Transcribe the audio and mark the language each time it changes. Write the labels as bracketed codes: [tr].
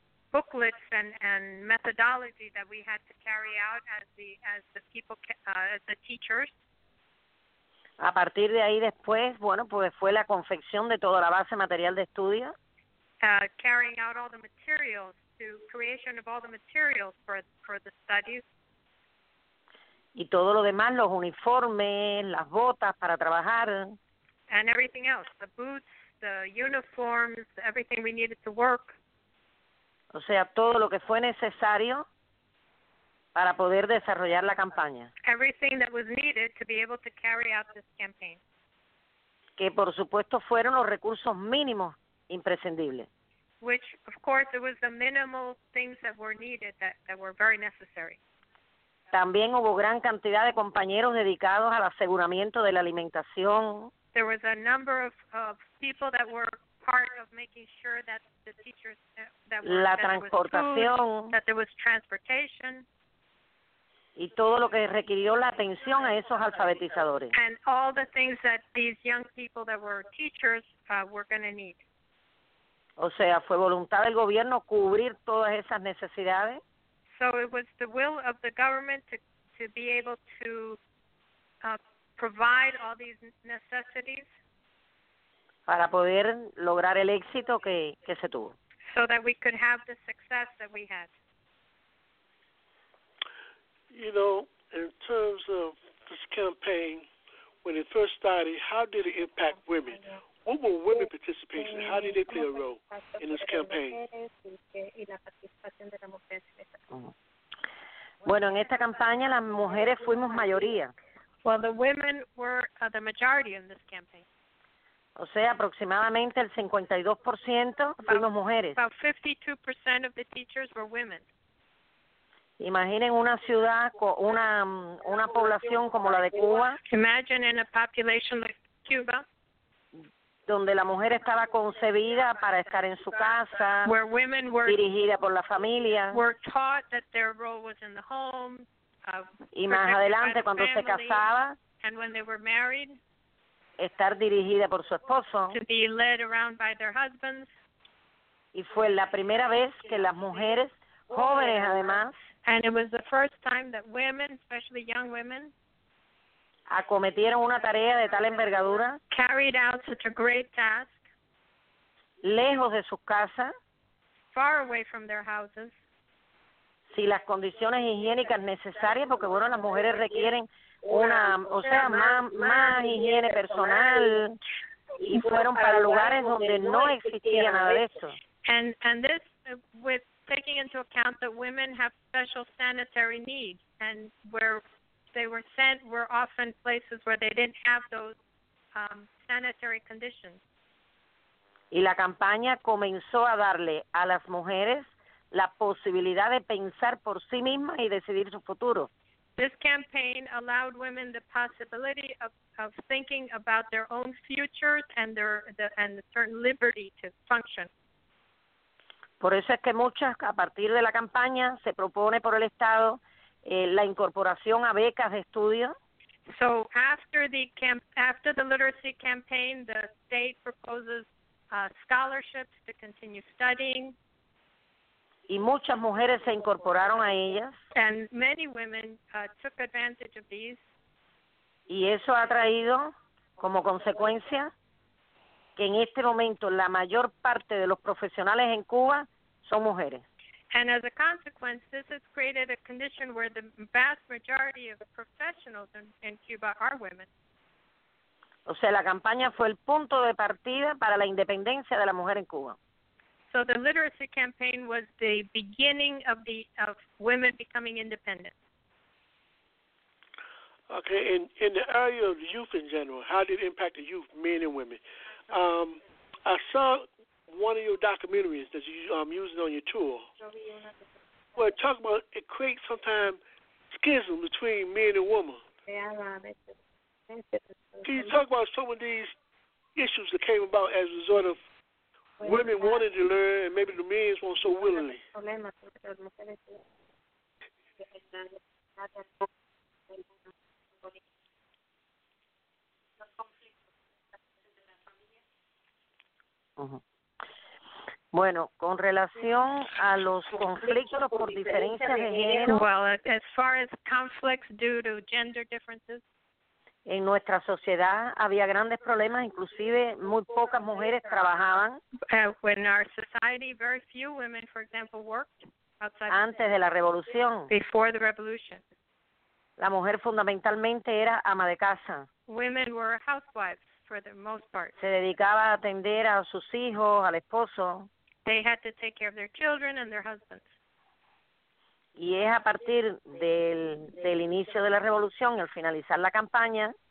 [en] Booklets and methodology that we had to carry out as the teachers. [es] A partir de ahí después, bueno, pues fue la confección de toda la base material de estudio. [en] Carrying out all the materials, to creation of all the materials for the studies. [es] Y todo lo demás, los uniformes, las botas para trabajar. [en] And everything else, the boots, the uniforms, everything we needed to work. [es] O sea, todo lo que fue necesario para poder desarrollar la campaña. [en] Everything that was needed to be able to carry out this campaign. [es] Que por supuesto fueron los recursos mínimos imprescindibles. [en] Which, of course, it was the minimal things that were needed that were very necessary. [es] También hubo gran cantidad de compañeros dedicados al aseguramiento de la alimentación. [en] There was a number of people that were part of making sure that the teachers that were [es] la transportación, [en] food, that there was transportation. [es] Y todo lo que requirió la atención a esos alfabetizadores. [en] And all the things that these young people that were teachers were going to need. [es] O sea, fue voluntad del gobierno cubrir todas esas necesidades. [en] So it was the will of the government to be able to provide all these necessities. [es] Para poder lograr el éxito que se tuvo. [en] So that we could have the success that we had. You know, in terms of this campaign, when it first started, how did it impact women? What were women participation? How did they play a role in this campaign? [es] Bueno, en esta campaña las mujeres fuimos mayoría. [en] Well, the women were the majority in this campaign. [es] O sea, aproximadamente el 52% fuimos mujeres. [en] About 52% of the teachers were women. [es] Imaginen una ciudad, una población como la de Cuba. [en] Imagine in a population like Cuba. [es] Donde la mujer estaba concebida para estar en su casa. [en] Where women were, [es] dirigida por la familia. [en] Were taught that their role was in the home. [es] Y más adelante cuando [en] family, [es] se casaba. [en] And when they were married. [es] Estar dirigida por su esposo. [en] To be led around by their husbands. [es] Y fue la primera vez que las mujeres, jóvenes además. [en] And it was the first time that women, especially young women, [es] acometieron una tarea de tal envergadura, [en] carried out such a great task, [es] lejos de sus casas, [en] far away from their houses, [es] si las condiciones higiénicas necesarias, porque bueno, las mujeres requieren una, o sea, más higiene personal, y fueron para lugares donde no existía nada de eso. [en] And this, with taking into account that women have special sanitary needs, and where they were sent were often places where they didn't have those sanitary conditions. [es] Y la campaña comenzó a darle a las mujeres la posibilidad de pensar por sí misma y decidir su futuro. [en] This campaign allowed women the possibility of thinking about their own futures and their and a certain liberty to function. [es] Por eso es que muchas, a partir de la campaña, se propone por el Estado la incorporación a becas de estudio. [en] So after the literacy campaign, the state proposes scholarships to continue studying. [es] Y muchas mujeres se incorporaron a ellas. [en] And many women took advantage of these. [es] Y eso ha traído como consecuencia que en este momento la mayor parte de los profesionales en Cuba son mujeres. [en] And as a consequence, this has created a condition where the vast majority of the professionals in Cuba are women. [es] O sea, la campaña fue el punto de partida para la independencia de la mujer en Cuba. [en] So the literacy campaign was the beginning of women becoming independent. Okay, in the area of youth in general, how did it impact the youth, men and women? I saw one of your documentaries that you using on your tour. Well, talk about it creates sometimes schism between men and women. Can you talk about some of these issues that came about as a result of women wanting to learn and maybe the men weren't so willingly? [es] Bueno, con relación a los conflictos por diferencias de género. [en] Well, as far as conflicts due to gender differences. [es] En nuestra sociedad había grandes problemas, inclusive muy pocas mujeres trabajaban. [en] In our society, very few women, for example, worked outside. [es] Antes de la revolución. [en] Before the revolution. [es] La mujer fundamentalmente era ama de casa. [en] Women were housewives. For the most part. [es] Se dedicaba a atender a sus hijos, al esposo. [en] They had to take care of their children and their husbands. [es] Y es a partir del inicio de la revolución, el finalizar la campaña.